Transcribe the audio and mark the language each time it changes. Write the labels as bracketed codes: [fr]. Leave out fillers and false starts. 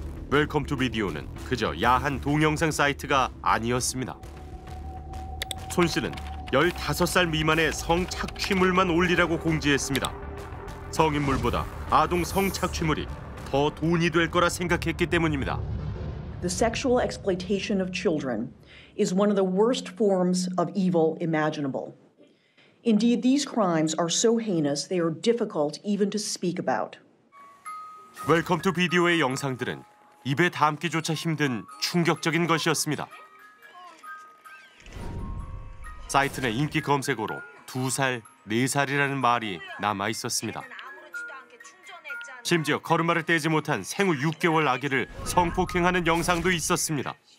[ko] 웰컴 투 비디오는 그저 야한 동영상 사이트가 아니었습니다. 손 씨는 15살 미만의 성착취물만 올리라고 공지했습니다. 성인물보다 아동 성착취물이 더 돈이 될 거라 생각했기 때문입니다. [en] The sexual exploitation of children is one of the worst forms of evil imaginable. Indeed, these crimes are so heinous they are difficult even to speak about. [ko] 웰컴 투 비디오의 영상들은 입에 담기조차 힘든 충격적인 것이었습니다. 사이트 내 인기 검색어로 두 살, 네 살이라는 말이 남아 있었습니다. 심지어 걸음마를 떼지 못한 생후 6개월 아기를 성폭행하는 영상도 있었습니다.